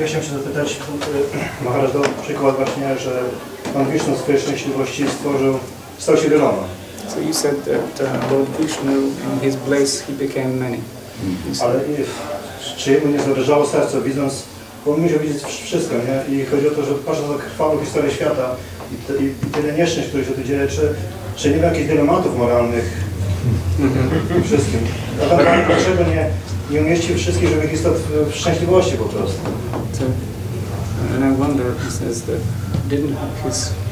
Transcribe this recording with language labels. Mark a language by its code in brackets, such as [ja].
[pl] Ja chciałem się zapytać, Maharaj dał przykład właśnie, że Pan Vishnu z swojej szczęśliwości stworzył, stał się wieloma. [en] So you said that Lord Vishnu in his bliss he became many. [pl] Ale czy jemu nie zadrżało serce, widząc, bo on musiał widzieć wszystko, nie? I chodzi o to, że patrząc na krwawą historię świata, i tyle nieszczęść, które się tu dzieje, czy nie ma jakichś dylematów moralnych w wszystkim. Dlaczego nie umieścił wszystkich żywych istot w szczęśliwości po prostu? [en] And I wonder, he says that didn't his